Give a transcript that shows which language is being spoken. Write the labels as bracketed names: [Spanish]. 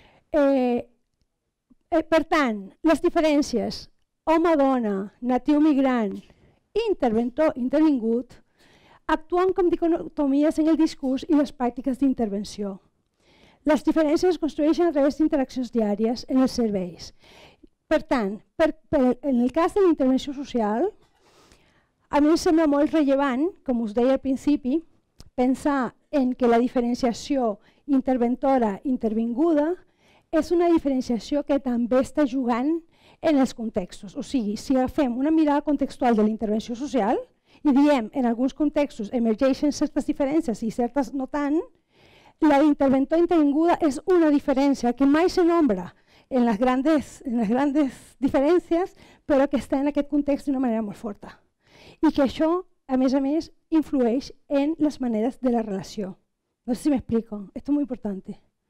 [Catalan] Per tant, [Spanish] las diferencias, [Catalan] home, dona, natiu, migrant, interventor, intervingut, [Spanish] actúan como dicotomías en el discurso y las prácticas de intervención. Las diferencias se construyen a través de interacciones diarias en los servicios. [Catalan] Per tant, [Spanish] en el caso de la intervención social, [Catalan] a mi em sembla molt rellevant, com us deia al principi, pensar en que la diferenciació interventora-intervinguda és una diferenciació que també està jugant en els contextos. O sigui, si agafem una mirada contextual de la intervenció social i diem en alguns contextos emergeixen certes diferències i certes no tant, la interventora-intervinguda és una diferència que mai se nombra en les grandes diferències, però que està en aquest context d'una manera molt forta. I que això, a més, influeix en les maneres de la relació. No sé si m'explico, [Spanish] esto es muy importante.